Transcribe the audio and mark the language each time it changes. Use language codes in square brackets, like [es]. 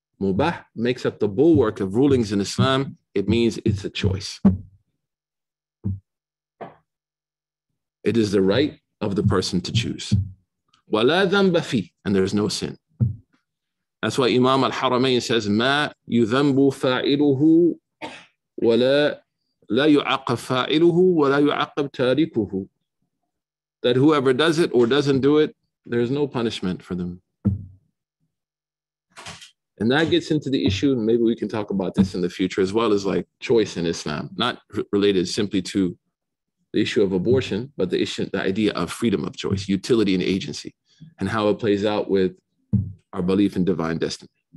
[en] Mubah makes up the bulwark of rulings in Islam. It means it's a choice. It is the right of the person to choose. [ar] وَلَا ذَنْبَ فِيهِ, [en] and there is no sin. That's why Imam Al-Haramayn says, [ar] مَا يُذَنْبُ فَاعِلُهُ ولا لا يعاقب فاعله ولا يعاقب تاركه. [en] That whoever does it or doesn't do it, there is no punishment for them. And that gets into the issue, and maybe we can talk about this in the future as well, as like choice in Islam, not related simply to the issue of abortion, but the issue, the idea of freedom of choice, utility and agency, and how it plays out with our belief in divine destiny.